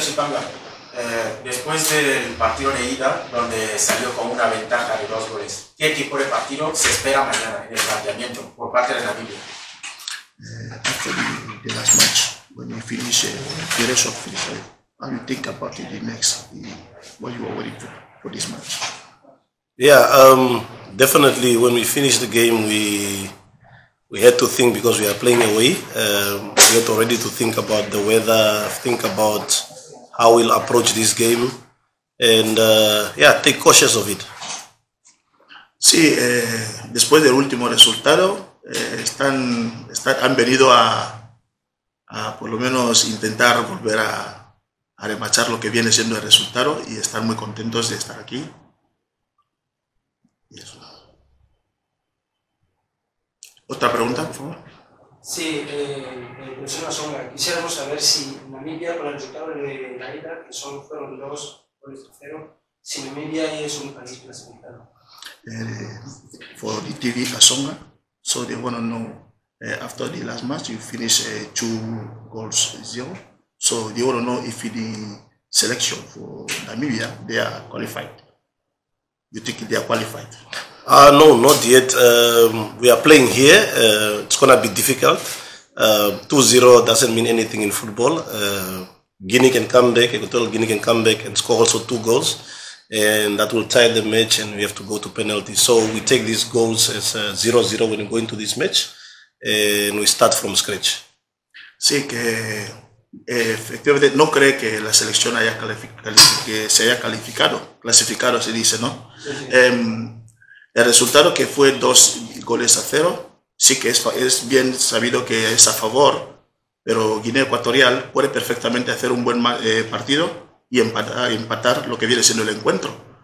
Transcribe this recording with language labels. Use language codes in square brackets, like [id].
[es] Shipanga, después del partido de ida, donde salió con una ventaja de 2 goles, ¿qué tipo de partido se espera mañana en el planteamiento por parte de la Biblia? [en] After the last match, when you finish the rest of the side, and you think about it the next, what you are waiting for this match? Yeah, definitely when we finish the game, we had to think, because we are playing away, we had already to think about the weather, think about how we'll approach this game, and take cautious of it. [es] Sí, después del último resultado, han venido a por lo menos intentar volver a remachar lo que viene siendo el resultado y están muy contentos de estar aquí. Y eso. ¿Otra pregunta, por favor? Sí, profesora Sombra, quisiéramos saber si Namibia, con el resultado de la ida, que solo fueron 2-0, si Namibia es un país clasificado. [en] For the TV, Asonga. So they want to know, after the last match, you finished 2-0. So they want to know if the selection for Namibia, they are qualified. You think they are qualified? No, not yet. We are playing here. It's going to be difficult. 2-0 doesn't mean anything in football. Guinea can come back. Equatorial Guinea can come back and score also 2 goals. And that will tie the match and we have to go to penalty. So we take these goals as 0-0 when we go into this match and we start from scratch. [es] Sí, que efectivamente no cree que la selección haya clasificado, se dice, ¿no? El resultado que fue 2-0, sí que es bien sabido que es a favor, pero Guinea Ecuatorial puede perfectamente hacer un buen partido y empatar lo que viene siendo el encuentro.